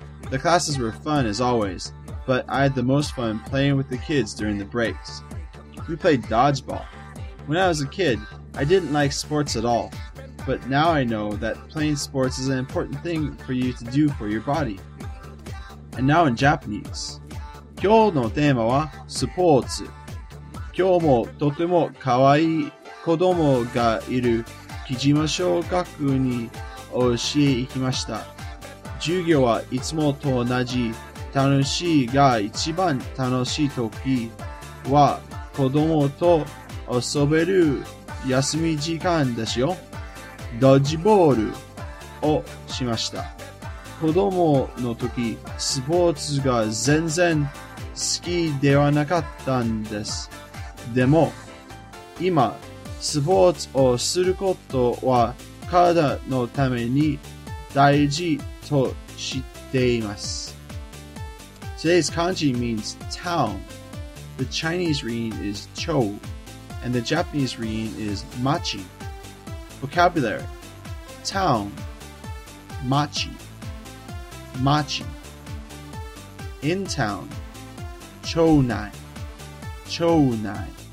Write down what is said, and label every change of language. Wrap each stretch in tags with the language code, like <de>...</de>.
<en>The classes were fun as always, but I had the most fun playing with the kids during the breaks. We played dodgeball. When I was a kid, I didn't like sports at all, but now I know that playing sports is an important thing for you to do for your body. And now in Japanese.</en> <ja>今日のテーマはスポーツ。今日もとても可愛い子供がいる木島小学に教え行きました。授業はいつもと同じ楽しいが一番楽しい時は子供と遊べる休み時間ですよ。ドッジボールをしました。子供の時、スポーツが全然好きではなかったんです。でも、今、スポーツをすることは体のために大事と知っています。</ja> <en>Today's kanji means town. The Chinese reading is chou, and the Japanese reading is machi. Vocabulary: town, machi, machi. In town, chounai, chounai.</en>